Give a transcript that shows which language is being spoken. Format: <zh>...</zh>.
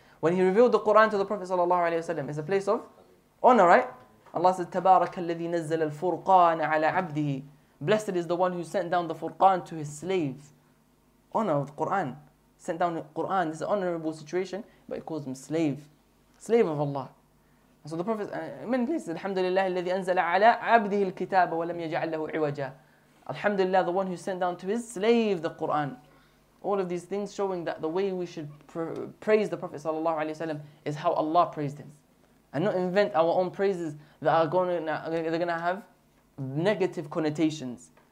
<en>When he revealed the Quran to the Prophet sallallahu alaihi wasallam, it's a place of honor, right? Allah said</en> <ar>tabarakalladhi nazzala al-furqana ala 'abdihi.</ar> <en>Blessed is the one who sent down the Furqan to his slave. Honor of the Quran. Sent down the Quran, this is an honorable situation, but it calls him slave of Allah. So the Prophet, many places,</en> <ar>Alhamdulillah, الذي أنزل على عبده الكتاب ولم يجعل له عوجا.</ar> <en>Alhamdulillah, the one who sent down to his slave the Quran. All of these things showing that the way we should praise the Prophet sallallahu alaihi wasallam is how Allah praised him, and not invent our own praises that are going to have negative connotations.</en>